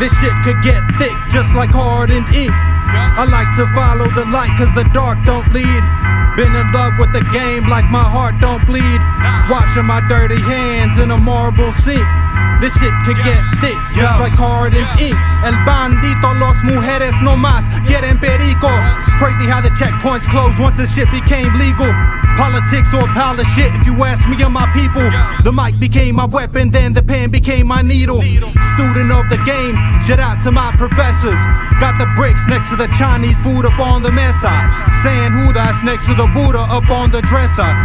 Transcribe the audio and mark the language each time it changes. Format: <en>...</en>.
<en>This shit could get thick just like hardened ink. Yeah. I like to follow the light, cause the dark don't lead. Been in love with the game like my heart don't bleed. Nah. Washing my dirty hands in a marble sink. This shit could get thick, just like hardened ink.</en> <es>El bandito, los mujeres no más, quieren perico.</es> <en>Crazy how the checkpoints closed once this shit became legal. Politics or a pile of shit, if you ask me or my people. The mic became my weapon, then the pen became my needle. Student of the game, shout out to my professors. Got the bricks next to the Chinese food up on the mesa. Saying who that's next to the Buddha up on the dresser.</en>